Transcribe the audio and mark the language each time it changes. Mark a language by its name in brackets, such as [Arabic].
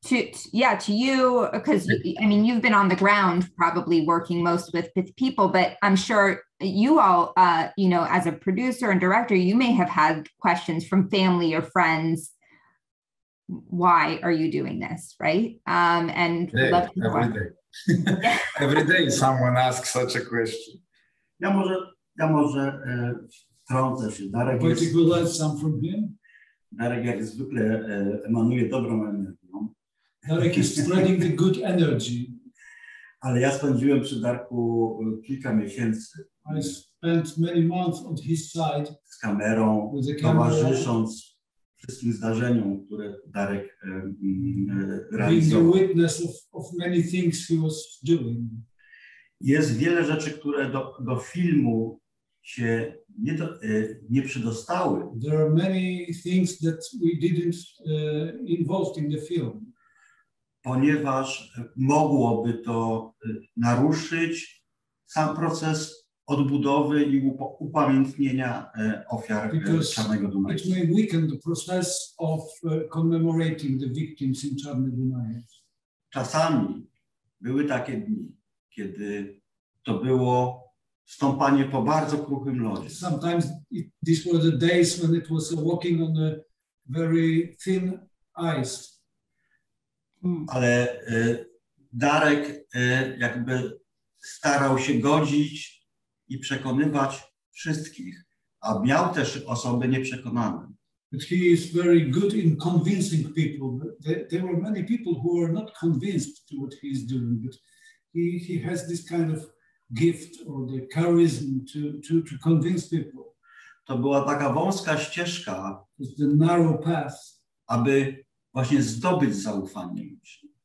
[English] To you, because I mean, you've been on the ground probably working most with people, but I'm sure you all, you know, as a producer and director, you may have had questions from family or friends. Why are you doing this, right? Every day someone asks such a question. [Polish] Ja może wtrącę się. Darek jest, [English] you would like some from him? [Polish] Darek jak zwykle emanuje dobrą energią. [English] Darek is spreading the good energy. [Polish] Ale ja spędziłem przy Darku kilka miesięcy. [English] I spent many months on his side. [Polish] Z kamerą, towarzysząc wszystkim zdarzeniom, które Darek realizował. [English] Being the witness of many things he was doing. [Polish] Jest wiele rzeczy, które do filmu się nie przedostały. [English] There are many things that we didn't involve in the film. [Polish] Ponieważ mogłoby to naruszyć sam proces odbudowy i upamiętnienia ofiar Czarnego Dunaju. [English] It may weaken the process of commemorating the victims in Czarny Dunajec. [Polish] Czasami były takie dni, kiedy to było stąpanie po bardzo kruchym lodzie. [English] Sometimes these were the days when it was walking on a very thin ice. [Polish] Ale Darek jakby starał się godzić i przekonywać wszystkich, a miał też osoby nieprzekonane. [English] But he is very good in convincing people. There were many people who were not convinced to what he is doing, but he has this kind of gift or the charism to convince people. [Polish] To była taka wąska ścieżka, [English] it's the narrow path, [Polish] aby właśnie zdobyć zaufanie ludzi.